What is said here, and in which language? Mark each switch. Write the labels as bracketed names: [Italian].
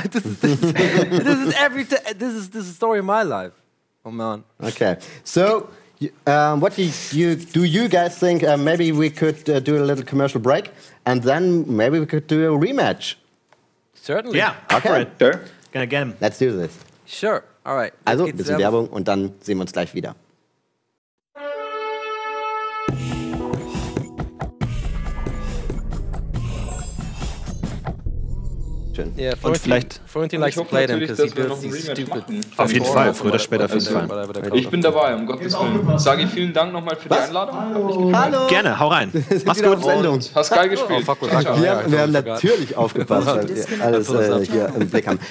[English] this is the story of my life. Oh man. Okay. So, what do you guys think? Maybe we could do a little commercial break and then maybe we could do a rematch. Certainly. Yeah. Okay. Right. Sure. Can I get him? Let's do this. Sure. Alright. [German] Also, ein bisschen Werbung und dann sehen wir uns gleich wieder. Schön. [English] Yeah, Florentine likes to play them, because he builds these stupid... [German] Auf jeden Fall, früher oder später auf jeden Fall. Ich bin dabei, um Gottes Willen. Sage ich vielen Dank nochmal für die Einladung. Hallo! Gerne, hau rein. Mach's gut. Sendung. Hast geil gespielt. Wir haben natürlich aufgepasst, weil wir alles hier im Blick haben.